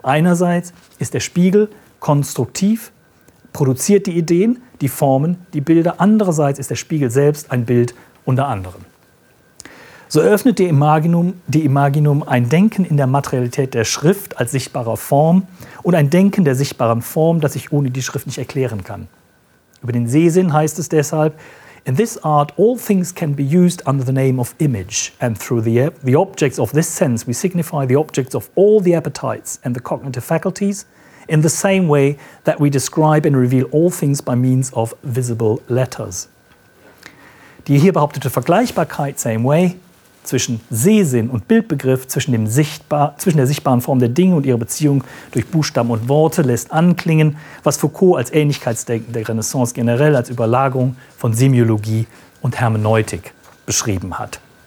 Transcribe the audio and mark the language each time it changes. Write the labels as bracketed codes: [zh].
[de] Einerseits ist der Spiegel konstruktiv, produziert die Ideen, die Formen, die Bilder. Andererseits ist der Spiegel selbst ein Bild unter anderem. So eröffnet De Imaginum ein Denken in der Materialität der Schrift als sichtbarer Form und ein Denken der sichtbaren Form, das sich ohne die Schrift nicht erklären kann. Über den Sehsinn heißt es deshalb: [en] In this art, all things can be used under the name of image, and through the objects of this sense, we signify the objects of all the appetites and the cognitive faculties, in the same way that we describe and reveal all things by means of visible letters. [de] Die hier behauptete Vergleichbarkeit, [en] same way, [de] zwischen Sehsinn und Bildbegriff, zwischen der sichtbaren Form der Dinge und ihrer Beziehung durch Buchstaben und Worte, lässt anklingen, was Foucault als Ähnlichkeitsdenken der Renaissance generell als Überlagerung von Semiologie und Hermeneutik beschrieben hat.